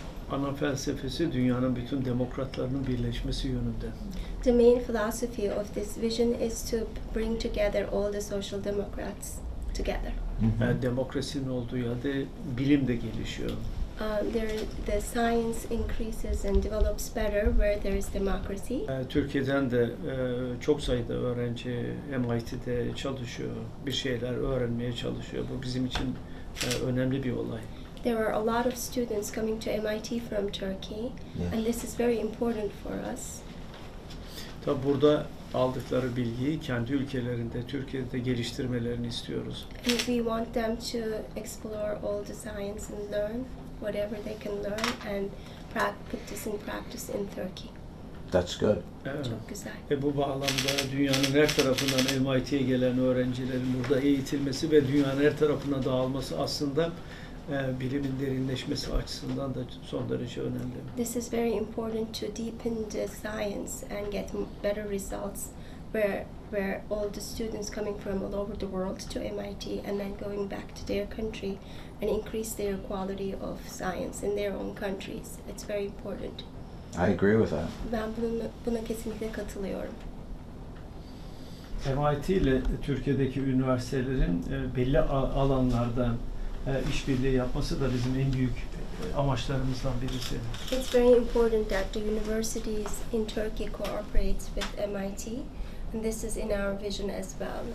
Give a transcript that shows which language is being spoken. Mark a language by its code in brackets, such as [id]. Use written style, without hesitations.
[tr] Ana felsefesi dünyanın bütün demokratlarının birleşmesi yönünde. [en] The main philosophy of this vision is to bring together all the social democrats together. [tr] Mm-hmm. Yani demokrasinin olduğu yerde bilim de gelişiyor. [en] The science increases and develops better where there is democracy. [tr] Türkiye'den de çok sayıda öğrenci MIT'de çalışıyor, bir şeyler öğrenmeye çalışıyor. Bu bizim için önemli bir olay. [en] There are a lot of students coming to MIT from Turkey, yeah. And this is very important for us. [tr] Tabi burada aldıkları bilgiyi kendi ülkelerinde, Türkiye'de geliştirmelerini istiyoruz. [en] And we want them to explore all the science and learn whatever they can learn and put this in practice in Turkey. That's good. [tr] Evet. Çok güzel. Bu bağlamda dünyanın her tarafından MIT'ye gelen öğrencilerin burada eğitilmesi ve dünyanın her tarafına dağılması aslında bilimin derinleşmesi açısından da son derece önemli. [en] This is very important to deepen the science and get better results where all the students coming from all over the world to MIT and then going back to their country and increase their quality of science in their own countries. It's very important. I agree with that. [tr] Ben buna kesinlikle katılıyorum. MIT ile Türkiye'deki üniversitelerin belli alanlarda işbirliği yapması da bizim en büyük amaçlarımızdan birisi. [en] It's very important that the universities in Turkey cooperate with MIT, and this is in our vision as well.